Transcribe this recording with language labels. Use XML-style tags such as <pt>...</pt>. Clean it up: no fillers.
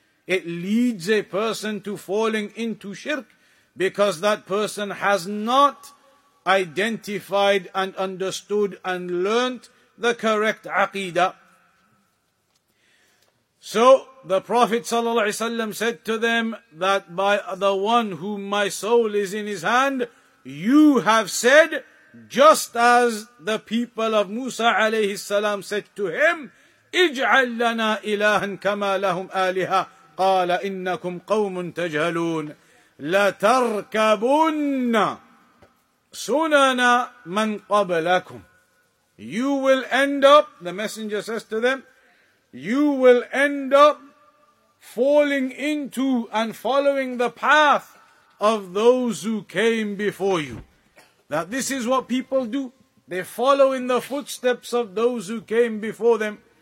<en>It leads a person to falling into shirk because that person has not identified and understood and learnt the correct aqidah. So the Prophet ﷺ said to them that by the one whom my soul is in his hand, You have said, just as the people of Musa alayhi salam said to him,</en> <ar>اجعل لنا إلها كما لهم آلهة قال إنكم قوم تجهلون لتركبون سنن من قبلكم.</ar> <en>You will end up, the messenger says to them, you will end up falling into and following the path of those who came before you. That this is what people do. They follow in the footsteps of those who came before them.</en>